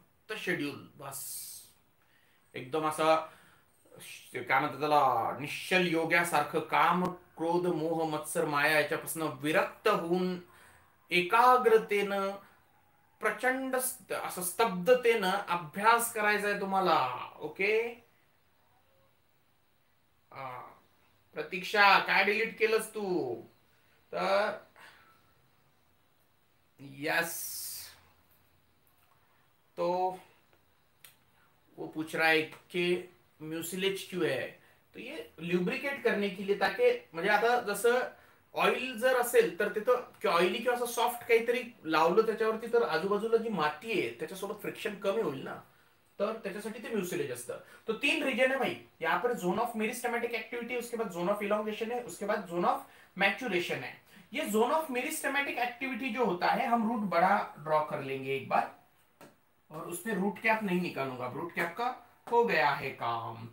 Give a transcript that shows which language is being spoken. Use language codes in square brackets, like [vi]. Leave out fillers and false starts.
[mr] तो शेड्यूल बस एकदम असं काय म्हणतात त्याला, निश्चल योग्यासारखं काम, क्रोध, मोह, मत्सर, माया याच्यापासून विरक्त होऊन एकाग्रतेनं, प्रचंड असं स्तब्धतेनं अभ्यास करायचा आहे तुम्हाला। ओके, प्रतीक्षा, काय डिलीट केलंस तू? [hi] तर यस, तो वो पूछ रहा है कि म्यूसिलेज क्यों है। तो ये ल्युब्रिकेट करने के लिए, ताकि [mr] म्हणजे आता जसं ऑइल जर असेल तर ते तो ऑइली किंवा असं सॉफ्ट काहीतरी लावलं त्याच्यावरती, तर आजूबाजूला जी माती आहे त्याच्यासोबत फ्रिक्शन कमी होईल ना, तर त्याच्यासाठी ते म्युसिलेज असतं। [hi] तो 3 रिजन है भाई, यहाँ पर जोन ऑफ मेरिस्टेमेटिक एक्टिविटी, उसके बाद जोन ऑफ इलांगेशन है, उसके बाद जोन ऑफ मैच्यूरेशन है। ये जोन ऑफ मेरिस्टेमेटिक एक्टिविटी जो होता है, हम रूट बड़ा ड्रॉ कर लेंगे एक बार, और उसमें रूट कैप नहीं निकालूंगा, रूट कैप का हो गया है काम।